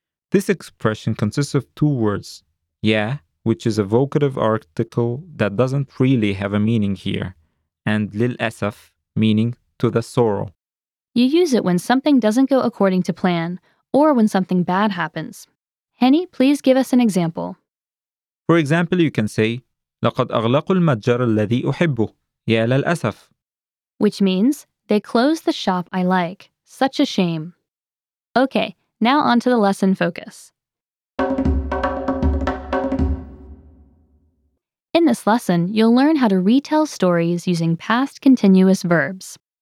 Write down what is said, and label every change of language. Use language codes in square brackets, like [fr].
[en] This expression consists of two words, يا, which is a vocative article that doesn't really have a meaning here, and للأسف, meaning to the sorrow. You use it when something doesn't go according to plan, or when something bad happens. Henny, please give us an example. For example, you can say, [ar] لقد أغلقوا المتجر الذي أحبه, يا للأسف. [en] Which means, they closed the shop I like. Such a shame. Okay, now on to the lesson focus. In this lesson, you'll learn how to retell stories using past continuous verbs.